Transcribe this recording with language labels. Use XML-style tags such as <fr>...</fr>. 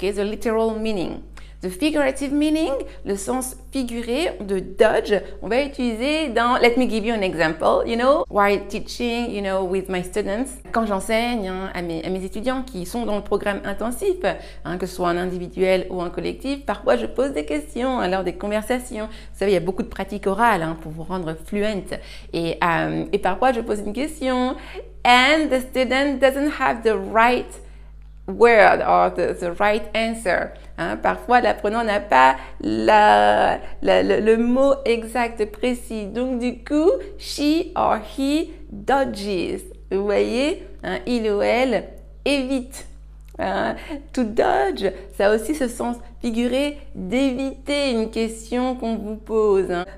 <en>The literal meaning. The figurative meaning,</en> <fr>le sens figuré de dodge, on va utiliser dans,</fr> <en>let me give you an example, you know, while teaching, you know, with my students.</en> <fr>Quand j'enseigne hein, à mes étudiants qui sont dans le programme intensif, hein, que ce soit en individuel ou en collectif, parfois je pose des questions hein, lors des conversations. Vous savez, il y a beaucoup de pratiques orales hein, pour vous rendre fluent. Et parfois je pose une question.</fr> <en>And the student doesn't have the right word or the right answer.</en> <fr>Hein, parfois, l'apprenant n'a pas le mot exact, précis. Donc, du coup,</fr> <en>she or he dodges.</en> <fr>Vous voyez, hein, il ou elle évite. Hein. To dodge, ça a aussi ce sens figuré d'éviter une question qu'on vous pose. Hein.</fr>